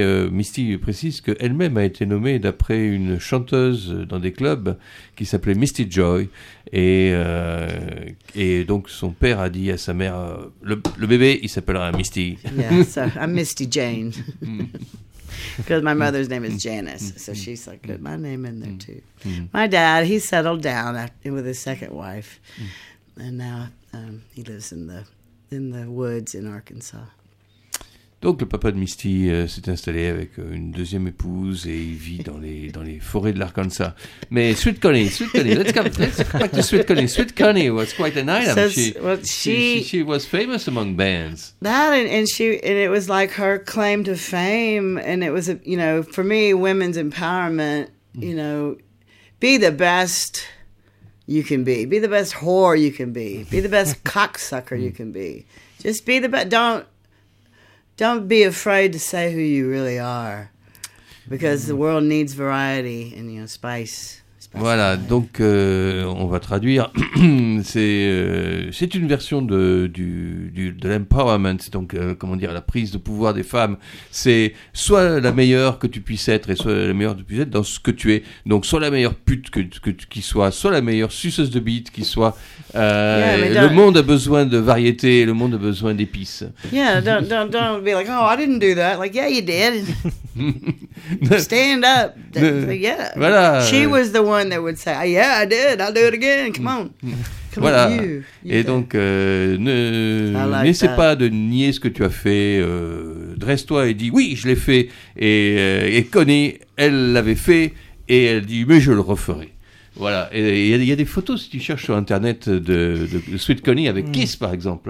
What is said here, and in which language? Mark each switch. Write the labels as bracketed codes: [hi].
[fr] Misty précise qu'elle-même a été nommée d'après une chanteuse dans des clubs qui s'appelait Misty Joy. Et donc, son père a dit à sa mère, le bébé, il s'appellera Misty. [en] Yeah, so I'm Misty Jane. Because my mother's name is Janice, so she's like, put my name in there too. My dad, he settled down with his second wife, and now he lives in the woods in Arkansas. [fr] Donc le papa de Misty s'est installé avec une deuxième épouse et il vit dans les forêts de l'Arkansas. [en] Mais Sweet Connie, let's go back to Sweet Connie. Sweet Connie was quite an item. She was famous among bands. That and it was like her claim to fame, and it was for me, women's empowerment. You know, be the best you can be. Be the best whore you can be. Be the best cocksucker you can be. Just be the best. Don't be afraid to say who you really are, because the world needs variety and, you know, spice. [fr] Voilà, donc on va traduire. c'est une version de l'empowerment, donc comment dire, la prise de pouvoir des femmes. C'est soit la meilleure que tu puisses être et soit la meilleure que tu puisses être dans ce que tu es. Donc soit la meilleure pute qui soit, soit la meilleure suceuse de bite qui soit. Le monde a besoin de variété, le monde a besoin d'épices. [en] Yeah, don't be like, oh, I didn't do that. Like, yeah, you did. Stand up. Yeah. [fr] Voilà. [en] She was the one that would say, yeah, I did. I'll do it again. Come on. [fr] Voilà. Et donc, n'essaie pas de nier ce que tu as fait. Dresse-toi et dis, oui, je l'ai fait. Et Connie, elle l'avait fait. Et elle dit, mais je le referai. Voilà. Et il y a des photos, si tu cherches sur Internet, de Sweet Connie avec Kiss, par exemple.